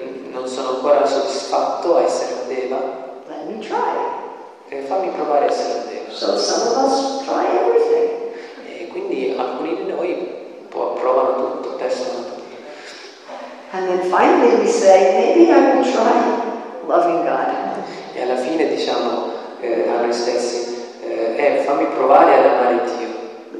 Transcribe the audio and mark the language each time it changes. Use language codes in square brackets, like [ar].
[it] Non sono ancora soddisfatto a essere un deva. [en] Let me try. [it] Fammi provare a essere un deva. [en] So some of us try everything. [it] E quindi alcuni di noi provano tutto, testano tutto. [en] And then finally we say, maybe I will try loving God. [it] E alla fine diciamo. A noi stessi fammi provare ad amare Dio.